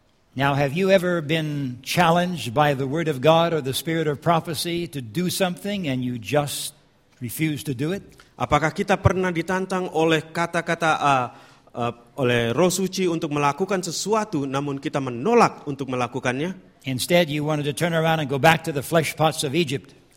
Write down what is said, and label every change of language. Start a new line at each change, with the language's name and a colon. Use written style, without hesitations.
English: Now, have you ever been challenged by the Word of God or the Spirit of prophecy to do something and you just refuse to do it?
Indonesian: Apakah kita pernah ditantang oleh kata-kata oleh Roh Suci untuk melakukan sesuatu, namun kita menolak untuk melakukannya?
English: Instead, you wanted to turn around and go back to the flesh pots of Egypt.